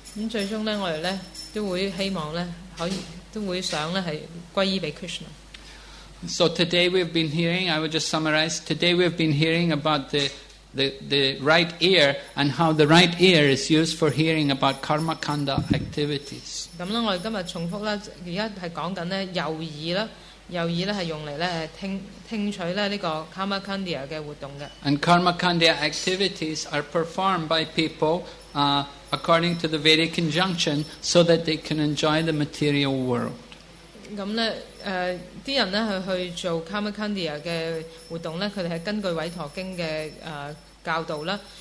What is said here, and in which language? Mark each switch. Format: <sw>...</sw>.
<yue>咁最終咧，我哋咧都會希望咧，可以都會想咧係歸依俾 Krishna.</yue> <en>So today we've been hearing. I will just summarize. Today we've been hearing about the right ear and how the right ear is used for hearing about karmakanda activities.</en> <yue>咁咧，我哋今日重複啦，而家係講緊咧右耳啦。右耳咧係用嚟咧聽取咧呢個 karmakandia 嘅活動嘅。</yue> <en>And karmakandia activities are performed by people according to the Vedic injunction so that they can enjoy the material world.</en> <yue>咁咧啲人咧去做 karmakandia 嘅活動咧，佢哋係根據韋陀經嘅教導啦。</yue>